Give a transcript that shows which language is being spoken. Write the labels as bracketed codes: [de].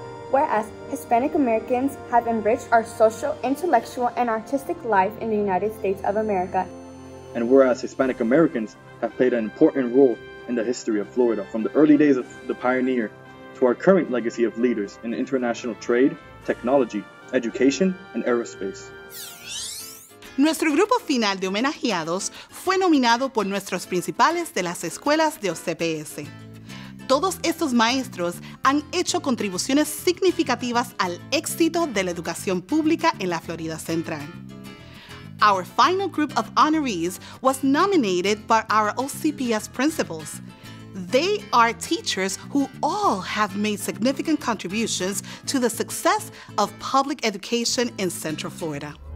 [en] Whereas Hispanic Americans have enriched our social, intellectual, and artistic life in the United States of America. And whereas Hispanic Americans have played an important role in the history of Florida, from the early days of the pioneer to our current legacy of leaders in international trade, technology, education, and aerospace. [es] Nuestro grupo final de homenajeados fue nominado por nuestros principales de las escuelas de OCPS. Todos estos maestros han hecho contribuciones significativas al éxito de la educación pública en la Florida Central. [en] Our final group of honorees was nominated by our OCPS principals. They are teachers who all have made significant contributions to the success of public education in Central Florida.